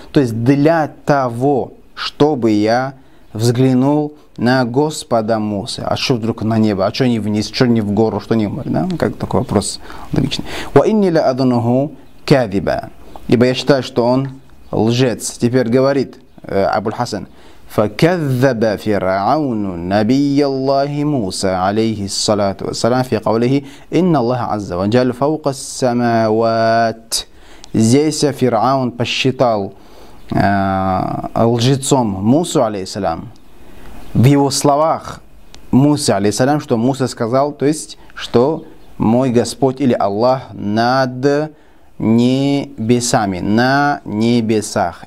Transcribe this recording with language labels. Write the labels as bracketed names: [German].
[Russian] То есть, для того, чтобы я взглянул на Господа Мусы. А что вдруг на небо? А что не вниз? Что не в гору? Что не в море? Да? Как такой вопрос логичный. [Arabic] Ва инни ля адунуху кавиба. [Russian] Ибо я считаю, что он лжец. Теперь говорит Абуль-Хасан. [Arabic] فكذب فرعون نبي الله موسى عليه الصلاة والسلام في قوله إن الله عز وجل فوق السماوات. [Russian] Здесь фараон посчитал лжецом Мусу алейхи салям. В его словах Мусе алейхи салям, что Муса сказал, то есть что мой Господь или Аллах над небесами, на небесах.